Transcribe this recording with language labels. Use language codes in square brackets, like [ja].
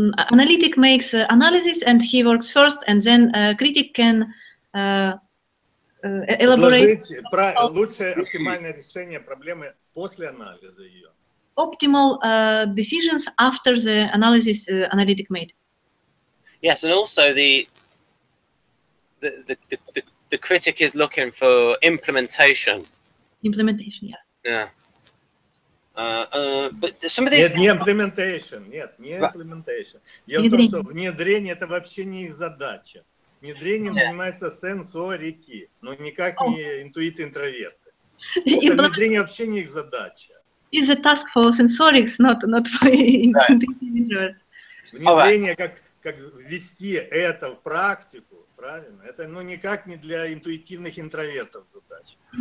[en] Analytic makes analysis and he works first, and then critic can elaborate. [ru] Лучшее оптимальное решение проблемы после анализа ее. [en] Optimal decisions after the analysis analytic made. Yes, and also the critic is looking for implementation. Implementation, yeah. Yeah. But some of these [ru] нет, не [en] implementation, [ru] нет, не implementation. Дело в том, что внедрение – это вообще не их задача. Внедрением занимаются сенсорики, но никак не интуиты-интроверты. Внедрение вообще не их задача. [en] It's a task for sensorics, not for introverts. [ru] Внедрение, как ввести это в практику, правильно. Это, ну, никак не для интуитивных интровертов задача.